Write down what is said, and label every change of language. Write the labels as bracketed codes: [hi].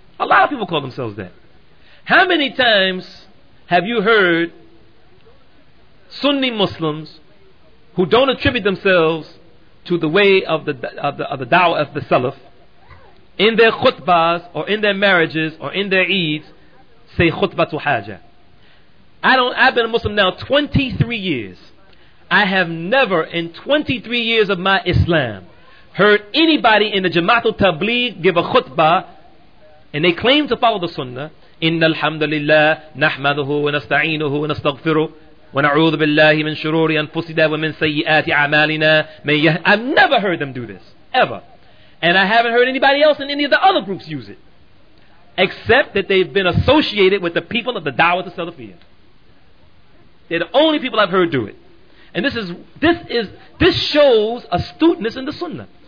[en] A lot of people call themselves that. How many times have you heard Sunni Muslims who don't attribute themselves to the way of the Dawah of the Salaf in their khutbahs or in their marriages or in their Eids say khutbatu haja? I've been a Muslim now 23 years. I have never in 23 years of my Islam heard anybody in the Jamaatul Tabligh give a khutbah and they claim to follow the Sunnah. [ar] إن الحمد لله نحمده ونستعينه ونستغفره ونعوذ بالله من شرور أنفسنا ومن سيئات أعمالنا. [en] I've never heard them do this, ever. And I haven't heard anybody else in any of the other groups use it, except that they've been associated with the people of the Dawah of Salafiyya. They're the only people I've heard do it. And this shows astuteness in the Sunnah.